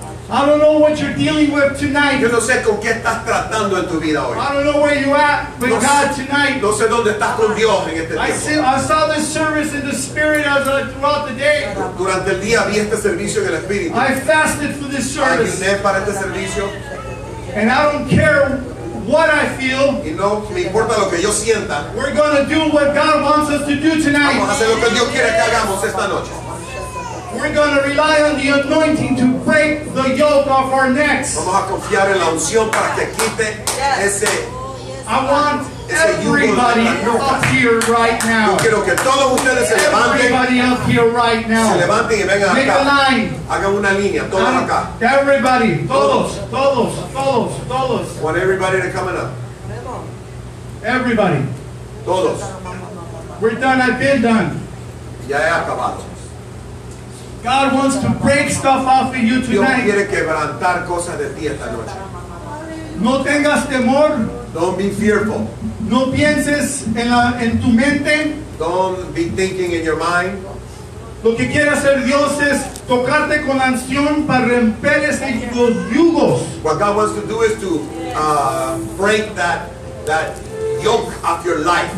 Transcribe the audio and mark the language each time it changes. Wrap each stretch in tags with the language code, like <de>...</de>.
<en>I don't know what you're dealing with tonight.</en> <es>Yo no sé con qué estás tratando en tu vida hoy.</es> <en>I don't know where you at with</en> <es>no</es> <en>God tonight.</en> <es>No sé dónde estás con Dios en este tiempo.</es> <en>I saw this service in the spirit as I throughout the day.</en> <es>Durante el día vi este servicio en el espíritu.</es> <en>I fasted for this service.</en> <es>Ayuné para este servicio.</es> <en>And I don't care what I feel.</en> <es>Y no me importa lo que yo sienta.</es> <en>We're going to do what God wants us to do tonight.</en> <es>Vamos a hacer lo que Dios quiere que hagamos esta noche.</es> <en>We're going to rely on the anointing to break the yoke off our necks.</en> <es>Vamos a confiar en la unción para que quite ese.</es> <en>I want everybody up here right now.</en> <es>Yo quiero que todos ustedes se levanten.</es> <en>Everybody up here right now.</en> <es>Se levanten y vengan acá.</es> <en>Make a line.</en> <es>Hagan una línea. Todos acá.</es> <en>Everybody.</en> <es>Todos.</es> <en>Want everybody to come up. Everybody.</en> <es>Todos.</es> <en>We're done. I've been done.</en> <es>Ya he acabado.</es> <en>God wants to break stuff off of you tonight.</en> <es>Dios quiere quebrantar cosas de ti esta noche. No tengas temor.</es> <en>Don't be fearful.</en> <es>No pienses en tu mente.</es> <en>Don't be thinking in your mind.</en> <es>Lo que quiere hacer Dios es tocarte con unción para romper esos yugos.</es> <en>What God wants to do is to break that yoke of your life.</en>